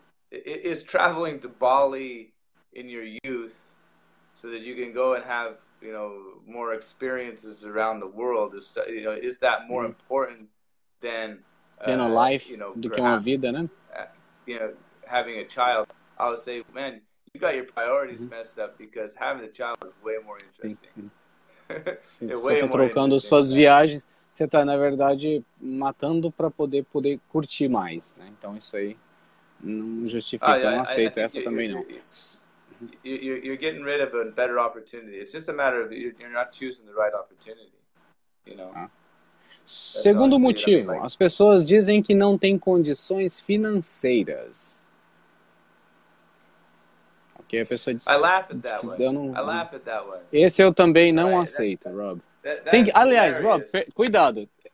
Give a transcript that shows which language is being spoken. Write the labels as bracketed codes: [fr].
[en] Is traveling to Bali in your youth so that you can go and have, you know, more experiences around the world, is, you know, is that more important than in a life, you know, [pt] do que uma vida, né? [en] You know, having a child, I would say, man, you got your priorities messed up because having a child is way more interesting. [pt] Você está trocando suas viagens, você está, na verdade, matando para poder curtir mais, né? Então, isso aí não justifica, [en] yeah, [pt] não aceito essa [en] you're, [pt] também, [en] you're getting rid of a better opportunity. It's just a matter of you're not choosing the right opportunity, you know? [pt] Segundo motivo, as pessoas dizem que não têm condições financeiras. Ok, a pessoa diz... [en] I laugh at that one. [pt] Esse eu também não aceito, Rob. Tem que... Aliás, Rob, cuidado.